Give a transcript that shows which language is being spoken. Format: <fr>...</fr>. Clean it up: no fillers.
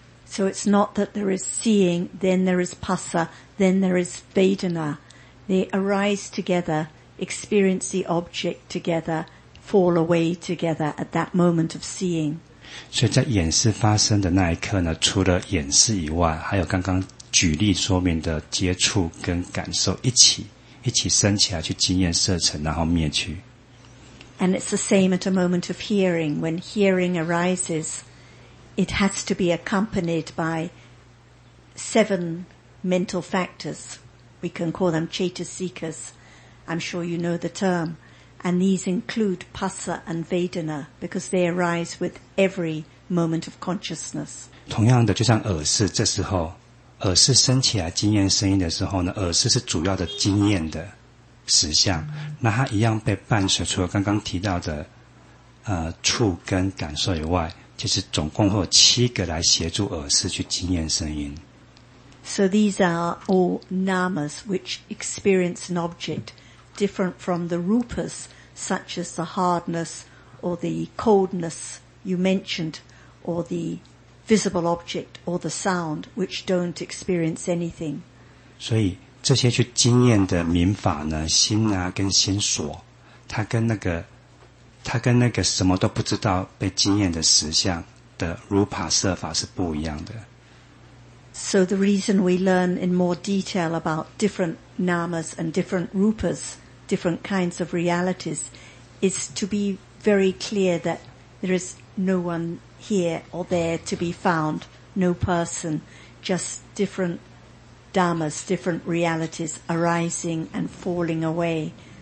<en>So it's not that there is seeing, then there is passa, then there is vedana. They arise together, experience the object together, fall away together at that moment of seeing.</en> <zh>所以在眼识发生的那一刻呢，除了眼识以外，还有刚刚举例说明的接触跟感受一起升起来去经验色尘，然后灭去。</zh> <en>And it's the same at a moment of hearing. When hearing arises, it has to be accompanied by seven mental factors. We can call them chetasikas. I'm sure you know the term. And these include passa and vedana because they arise with every moment of consciousness.</en> <zh>同样的，就像耳识这时候。耳识升起来经验声音的时候呢，耳识是主要的经验的实相，那它一样被伴随除了刚刚提到的触跟感受以外，就是总共会有七个来协助耳识去经验声音。</zh> <en>So these are all namas which experience an object different from the rupas such as the hardness or the coldness you mentioned or the visible object or the sound which don't experience anything.</en> <zh>所以这些去经验的明法呢，心啊跟心所，它跟那个什么都不知道被经验的实相的 rupa 色法是不一样的。</zh> <en>So the reason we learn in more detail about different namas and different rupas, different kinds of realities, is to be very clear that there is no one here or there to be found, no person, just different dhammas, different realities arising and falling away.</en>